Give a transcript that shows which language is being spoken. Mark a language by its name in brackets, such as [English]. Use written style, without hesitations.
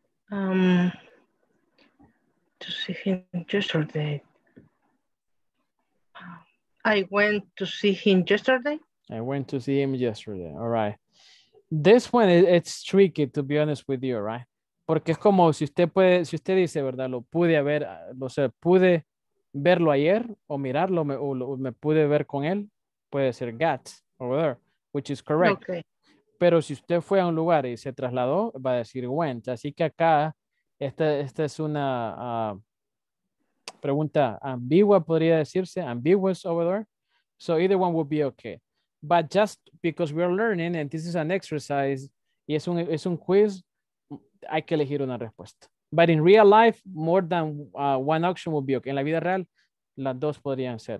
[English] To see him yesterday. I went to see him yesterday. I went to see him yesterday. All right. This one, it's tricky, to be honest with you, right? [Spanish] Porque es como si usted puede, si usted dice, ¿verdad? Lo pude ver, o sea, pude verlo ayer o mirarlo, o me pude ver con él. Puede ser [English] got over there, which is correct. Okay. [Spanish] Pero si usted fue a un lugar y se trasladó, va a decir went. Así que acá, esta es una pregunta ambigua, podría decirse. [English] Ambiguous over there. So either one would be okay. But just because we are learning and this is an exercise, [Spanish] y es un quiz, hay que elegir una respuesta. [English] But in real life, more than one option would be okay. [Spanish] En la vida real, las dos podrían ser.